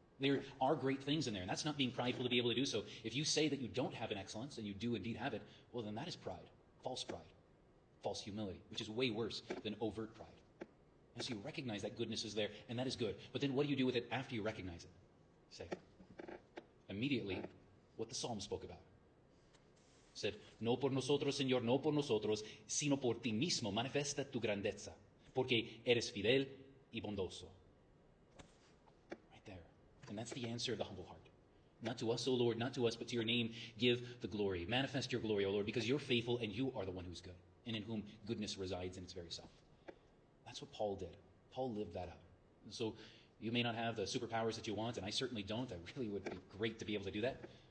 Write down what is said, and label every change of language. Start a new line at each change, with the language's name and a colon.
English: There are great things in there. And that's not being prideful to be able to do so. If you say that you don't have an excellence and you do indeed have it, well, then that is pride. False pride. False humility, which is way worse than overt pride. And so you recognize that goodness is there, and that is good. But then what do you do with it after you recognize it? Say, immediately, what the psalm spoke about. It said,
Spanish: no por nosotros, Señor, no por nosotros, sino por ti mismo manifesta tu grandeza, porque eres fidel y bondoso.
English: Right there. And that's the answer of the humble heart. Not to us, O Lord, not to us, but to your name, give the glory. Manifest your glory, O Lord, because you're faithful, and you are the one who's good, and in whom goodness resides in its very self. That's what Paul did. Paul lived that out. So you may not have the superpowers that you want, and I certainly don't. I really would be great to be able to do that.